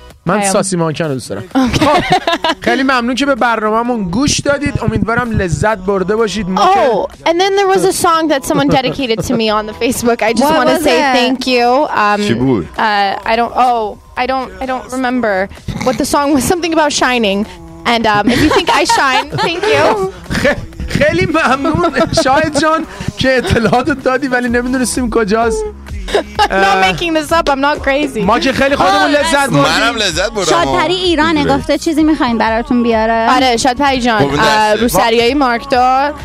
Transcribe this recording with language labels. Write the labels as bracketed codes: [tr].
[fa] من ساسی مانکن رو دوست دارم. خب خیلی ممنون که به برنامه‌مون گوش دادید. امیدوارم لذت برده باشید. [en] And then there was a song that someone dedicated to me on the Facebook. I just want to say thank you. I don't remember what the song was. Something about shining. And if you think I shine, thank you. [fa] خیلی ممنون شاهد جان که اطلاعات دادی ولی نمیدونستیم کجاست. [en] I'm not making this up. I'm not crazy. [fa] ما که خیلی خودمون لذت بردیم. منم لذت بردم. شادپری ایران گفته چیزی میخواین براتون بیاره. آره شادپری جان روسریای مارکدار